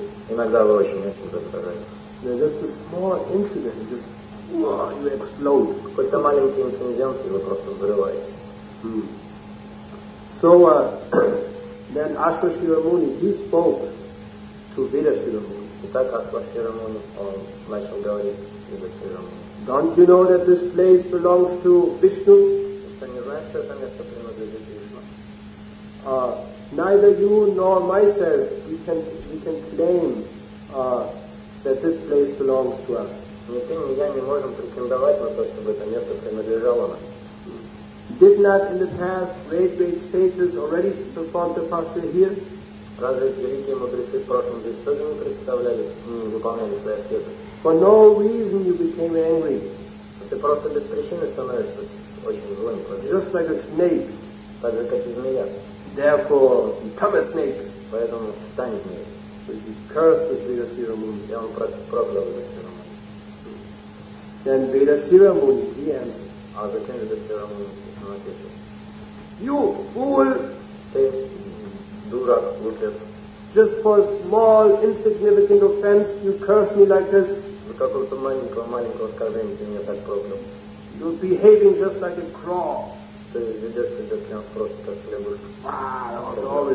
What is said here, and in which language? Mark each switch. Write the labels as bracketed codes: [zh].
[ru] иногда вы очень раздражаетесь. [en] Just a small incident, just you explode. [ru] Какой-то маленький инцидент, и вы просто взрываетесь. [en] So then Ashvashira Muni, he spoke to Vidashira Muni. [ru] Итак, Ashvashira Muni, он начал говорить Vidashira Muni. [en] Don't you know that this place belongs to Vishnu? [ru] Что не знаешь, что это место принадлежит Вишну? [en] Neither you nor myself, we can claim that this place belongs to us. [ru] Ни ты, ни я не можем претендовать на то, чтобы это место принадлежало нам. [en] Did not in the past great sages already perform tapasya here? [ru] Разве великие мудрецы в прошлом здесь тоже не представлялись, не выполняли свои аскезы? [en] For no reason you became angry. [ru] Ты просто без причины становишься очень злым. [en] Just like a snake. [ru] Так же, как и змея. [en] Therefore, become a snake. [ru] Поэтому стань змеей. [en] So he cursed this Vidashira Muni. [ru] Я вам проклял Vidashira Muni. [en] Then Vidashira Muni, he answered. [ru] А зачем Vidashira Muni? [en] You fool! [ru] Ты дурак, глупец. [en] Just for a small, insignificant offense, you curse me like this. [ru] За какого-то маленького оскорбления ты меня так проклял. [en] You're behaving just like a crow. [ru] Ты ведешь себя прям просто как лягушка.